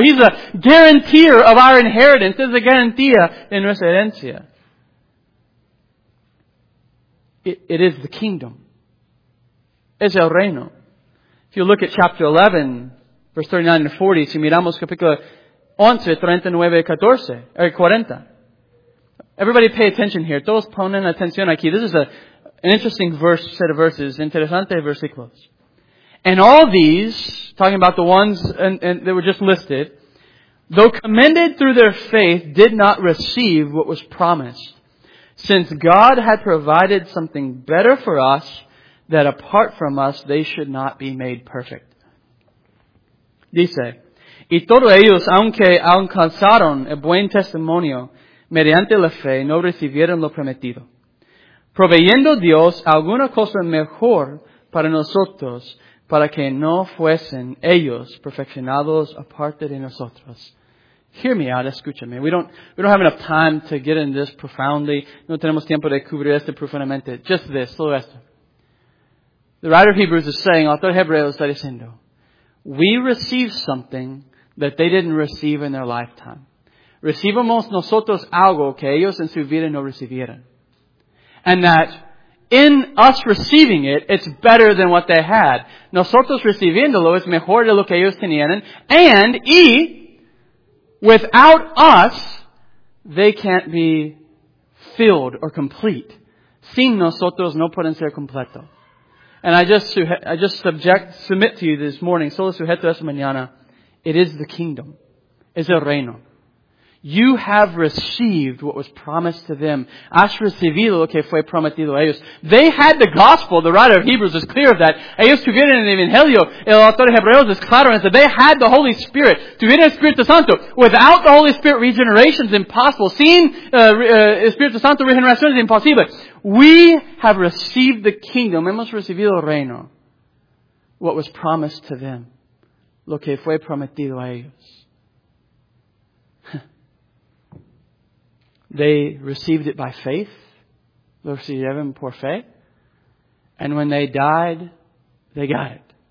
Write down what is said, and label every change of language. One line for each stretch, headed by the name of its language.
English: He's a guarantor of our inheritance.
Spanish: Es la garantía de nuestra herencia.
English: It is the kingdom.
Spanish: Es el reino.
English: If you look at chapter 11, verse 39 and 40,
Spanish: si miramos capítulo 11, 39 y 14, 40.
English: Everybody pay attention here.
Spanish: Todos ponen atención aquí.
English: This is an interesting verse, set of verses,
Spanish: interesante versículos.
English: And all these, talking about the ones that were just listed, though commended through their faith, did not receive what was promised. Since God had provided something better for us, that apart from us, they should not be made perfect.
Spanish: Dice, y todos ellos, aunque alcanzaron el buen testimonio mediante la fe, no recibieron lo prometido. Proveyendo Dios alguna cosa mejor para nosotros, para que no fuesen ellos perfeccionados aparte de nosotros.
English: Hear me out,
Spanish: escúchame.
English: We don't have enough time to get into this profoundly.
Spanish: No tenemos tiempo de cubrir esto profundamente.
English: Just this,
Spanish: solo esto.
English: The writer of Hebrews is saying,
Spanish: el autor de Hebreos está diciendo,
English: we receive something that they didn't receive in their lifetime.
Spanish: Recibimos nosotros algo que ellos en su vida no recibieron.
English: And that in us receiving it, it's better than what they had.
Spanish: Nosotros recibiéndolo es mejor de lo que ellos tenían.
English: And, y, without us, they can't be filled or complete.
Spanish: Sin nosotros no pueden ser completos.
English: And I just submit to you this morning,
Spanish: solo sujeto esta mañana,
English: it is the kingdom.
Spanish: Es el reino.
English: You have received what was promised to them.
Spanish: Has recibido lo que fue prometido a ellos.
English: They had the gospel. The writer of Hebrews is clear of that.
Spanish: Ellos tuvieron el Evangelio. El autor de Hebreos es claro en
English: that they had the Holy Spirit.
Spanish: Tuvieron el Espíritu Santo.
English: Without the Holy Spirit, regeneration is impossible.
Spanish: Sin Espíritu Santo, regeneración es imposible.
English: We have received the kingdom.
Spanish: Hemos recibido el reino.
English: What was promised to them.
Spanish: Lo que fue prometido a ellos.
English: They received it by faith.
Spanish: lo recibieron por fe.
English: And when they died, they got it.